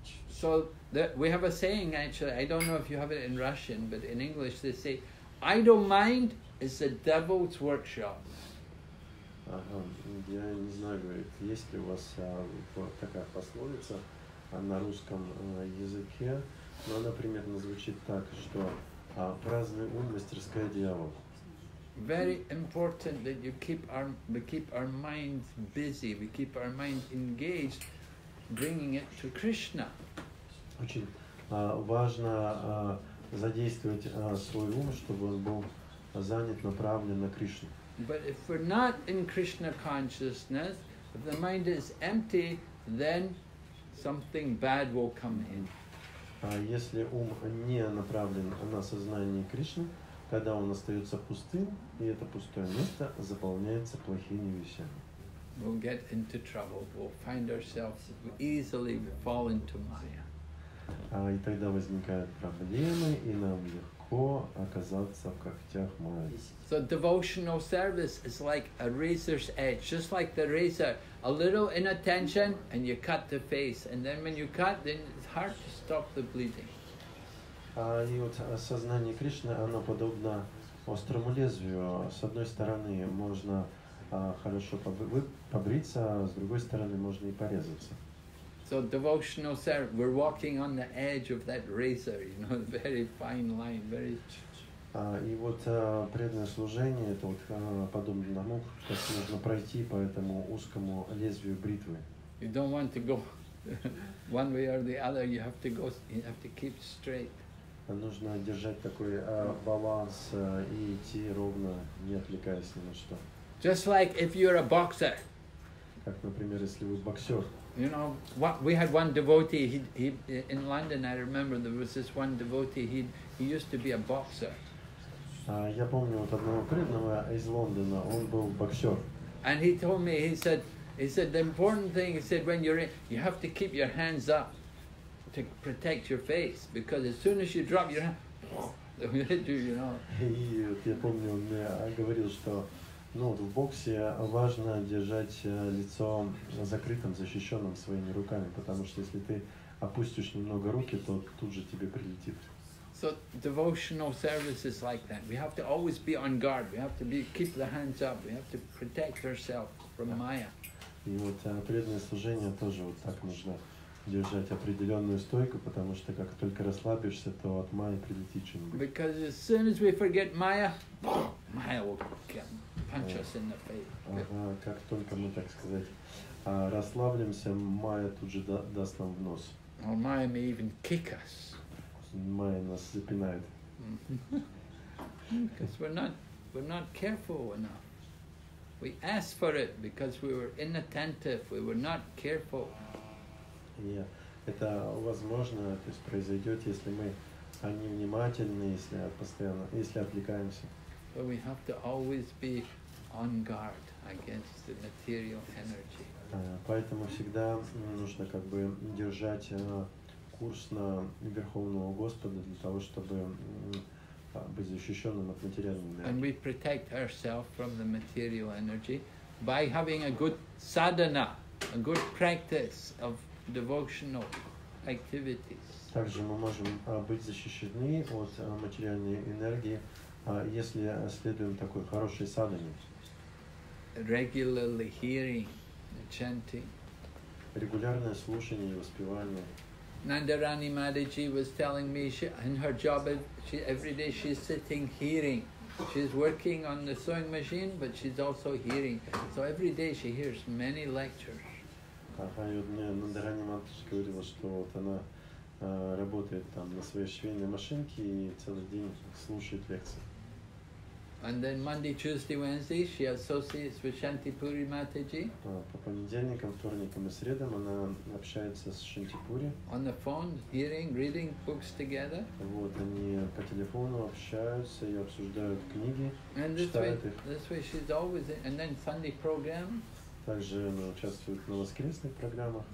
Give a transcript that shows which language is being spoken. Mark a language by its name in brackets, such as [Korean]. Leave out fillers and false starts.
[English] So we have a saying, actually, I don't know if you have it in Russian, but in English they say, "Idle mind is the devil's workshop." [Russian] Я не знаю, говорит, есть ли у вас такая пословица на русском языке. Но она примерно звучит так, что праздный ум – мастерская дьявола. [English] Very important that we keep our minds busy, we keep our minds engaged, bringing it to Krishna. [Russian] Очень важно задействовать свой ум, чтобы он был занят, направлен на Кришну. [English] But if we're not in Krishna consciousness, if the mind is empty, then something bad will come in. [Russian] Если ум не направлен на сознание Кришны, когда он остается пустым, и это пустое место заполняется плохими вещами. [English] We'll get into trouble. We'll find ourselves easily fall into Maya. [Russian] И тогда возникают проблемы, и нам легко оказаться в когтях Майи. [English] So devotional service is like a razor's edge, just like the razor. A little inattention, and you cut the face. And then when you cut, then it's hard to stop the bleeding. [Russian] И вот сознание Кришны, оно подобно острому лезвию. С одной стороны, можно хорошо побриться, а с другой стороны, можно и порезаться. [English] So devotional service, we're walking on the edge of that razor, you know, very fine line, very... [Russian] И вот преданное служение, это вот подобно тому, как нужно пройти по этому узкому лезвию бритвы. [English] You don't want to go one way or the other, you have to go, you have to keep straight. [Russian] Нужно держать такой баланс и идти ровно, не отвлекаясь ни на что. [English] Just like if you're a boxer. [Russian] Как, например, если вы боксер. [English] You know, what, we had one devotee. He in London, I remember there was this one devotee. He used to be a boxer. [Russian] Я помню вот одного преданного из Лондона. Он был боксер. [English] And he told me. He said the important thing. He said when you're in, you have to keep your hands up. To protect your face, because as soon as you drop your hand, you know. [Russian] И я помню, он мне говорил, что, ну, в боксе важно держать лицо закрытым, защищенным своими руками, потому что если ты опустишь немного руки, то тут же тебе прилетит. [English] So devotional service is like that. We have to always be on guard. We have to be keep the hands up. We have to protect ourselves from Maya. [Russian] И вот преданное служение тоже вот так нужно. Держать определенную стойку, потому что как только расслабишься, то от Майи прилетит что-нибудь. [English] Because as soon as we forget Maya, Maya will punch us in the face. [Russian] Как только мы, так сказать, расслабимся, Майя тут же даст нам в нос. [English] Or Maya may even kick us. [Russian] Майя нас запинает. [English] Because we're not careful enough. We asked for it because we were inattentive. We were not careful. [Russian] Это возможно, то есть произойдет, если мы невнимательны, если постоянно, если отвлекаемся. [English] But we have to always be on guard against the material energy. [Russian] Поэтому всегда нужно как бы держать курс на Верховного Господа для того, чтобы быть защищенным от материальной энергии. [English] And we protect ourselves from the material energy by having a good sadhana, a good practice of devotional activities. [Russian] Также мы можем быть защищены от материальной энергии, если следуем такой хорошей садхане. [English] Regularly hearing the chanting. [Russian] Регулярное слушание и воспевание. [English] Нандарани Матаджи was telling me she, in her job, she, every day she's sitting hearing. She's working on the sewing machine, but she's also hearing. So every day she hears many lectures. [Russian] Нандарани Матаджи говорила, что вот она работает там на своей швейной машинке и целый день слушает лекции. [English] And then Monday, Tuesday, Wednesday she associates with Shantipuri Mataji. [Russian] По понедельникам, вторникам и средам она общается с Шантипури. [English] On the phone, hearing, reading books together. [Russian] Вот они по телефону общаются и обсуждают книги, [English] and this way she's always in. And then Sunday program. [Russian] Также она участвует на воскресных программах.